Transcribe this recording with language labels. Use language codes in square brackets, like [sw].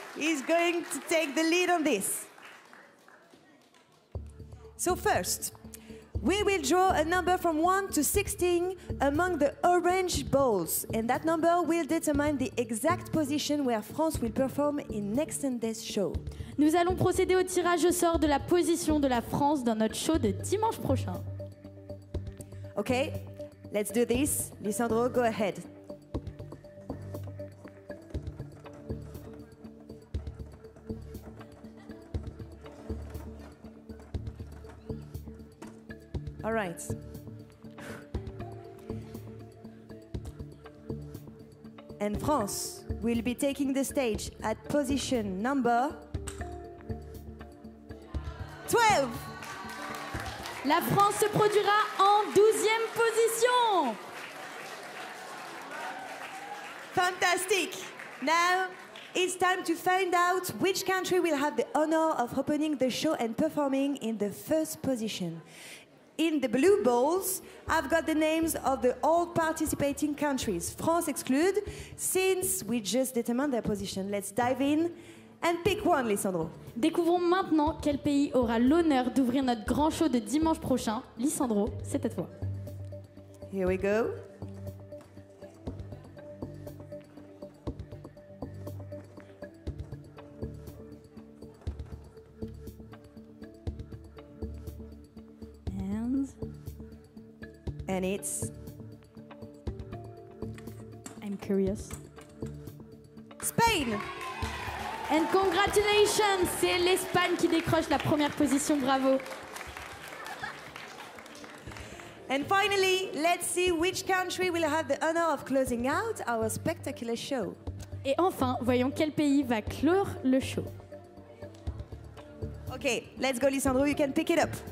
[en] He's going to take the lead on this. So first, we will draw a number from 1 to 16 among the orange balls. And that number will determine the exact position where France will perform in next Sunday's show. [fr] Nous allons procéder au tirage au sort de la position de la France dans notre show de dimanche prochain. [en] OK, let's do this. Lisandro, go ahead. All right. And France will be taking the stage at position number 12. [fr] La France se produira en 12e position. [en] Fantastic. Now it's time to find out which country will have the honor of opening the show and performing in the first position. In the blue balls, I've got the names of the all participating countries. France excluded, since we just determined their position. Let's dive in and pick one, Lisandro. [fr] Découvrons maintenant quel pays aura l'honneur d'ouvrir notre grand show de dimanche prochain. Lisandro, c'est à toi. [en] Here we go. And it's... I'm curious. Spain! And congratulations! [fr] C'est l'Espagne qui décroche la première position, bravo! [en] And finally, let's see which country will have the honor of closing out our spectacular show. [fr] Et enfin, voyons quel pays va clore le show. [en] Okay, let's go, Lisandro, you can pick it up.